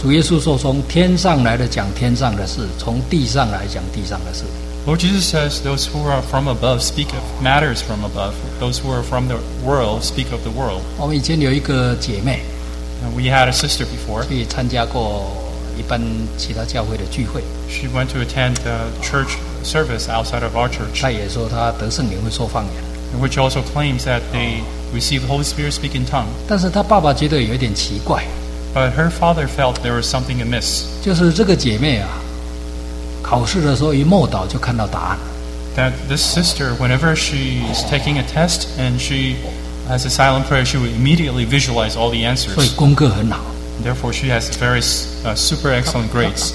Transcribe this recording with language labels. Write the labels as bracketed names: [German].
[Chinese] 主耶稣说从天上来的讲天上的事，从地上来讲地上的事。 [English] Lord Jesus says, those who are from above speak of matters from above. Those who are from the world speak of the world. We had a sister before. She went to attend the church service outside of our church. Which also claims that they received the Holy Spirit speak in tongues. But her father felt there was something amiss. [Chinese] 就是这个姐妹啊, 考试的时候一默祷, [English] that this sister, whenever she is taking a test and she has a silent prayer, she would immediately visualize all the answers. [Chinese] 所以功课很好, [English] therefore, she has very super excellent grades.